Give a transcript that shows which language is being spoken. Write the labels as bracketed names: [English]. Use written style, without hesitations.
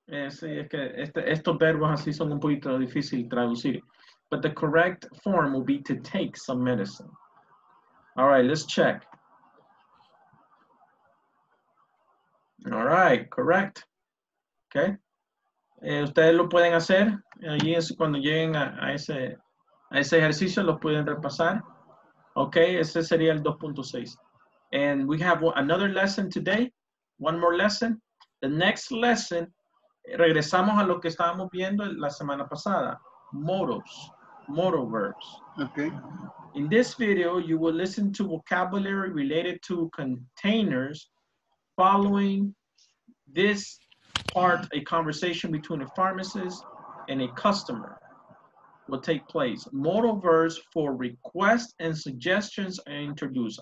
[Spanish] Sí, es que estos verbos así son un poquito difícil traducir. [English] But the correct form will be to take some medicine. All right, let's check. All right, correct. Okay. [Spanish] Ustedes lo pueden hacer. Allí es cuando lleguen a ese ejercicio, lo pueden repasar. [English] Okay, [Spanish] ese sería el 2.6. [English] And we have another lesson today. One more lesson. The next lesson. [Spanish] Regresamos a lo que estábamos viendo la semana pasada. [English] Modals, modal verbs. Okay. In this video, you will listen to vocabulary related to containers following this part, a conversation between a pharmacist and a customer will take place. Modal verbs for requests and suggestions are introduced.